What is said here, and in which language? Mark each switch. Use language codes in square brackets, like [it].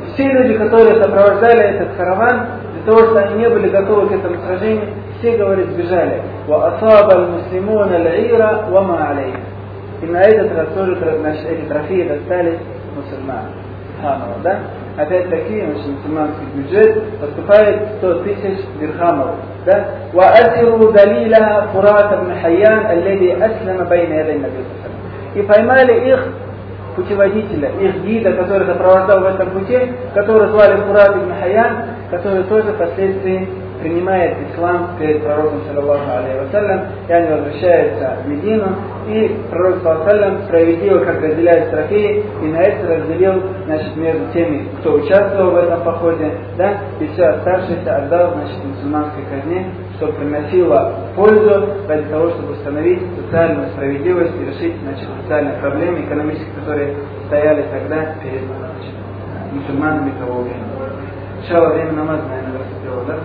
[ru] Все люди, которые сопровождали этот караван, для того, что они не были готовы к этому сражению, все, говорит, сбежали. [ar] وَأَصَابَ الْمُسْلِمُونَ الْعِيرَ وَمَا عَلَيْهِ. [ru] И на этот раз тоже, значит, эти трофеи достались мусульманам. Да? Опять-таки, значит, мусульманский бюджет поступает 100 тысяч дирхамов. Да? [ar] وَأَسِرُوا دَلِيلَهَا فُرَاتَ بْنِ حَيَّانَ الَّذِي أَسْلَمَ بَيْنَ يَدَيْنَ بِسْلَمَ. [ru] И поймали их путеводителя, их гида, который сопровождал в этом пути, который звали Мурад ибн Хайян, который тоже впоследствии принимает ислам перед пророком саллаллаху алейхи ва саллям, и они возвращаются в Медину, и пророк саллаллаху алейхи ва саллям справедливо, как разделяют трофеи, и на это разделил, значит, между теми, кто участвовал в этом походе, да, и все оставшееся отдал, значит, мусульманской казне, что приносило пользу ради того, чтобы установить социальную справедливость и решить, значит, социальные проблемы экономические, которые стояли тогда перед, значит, мусульманами того времени. Сначала время намаз, наверное, наступило, да?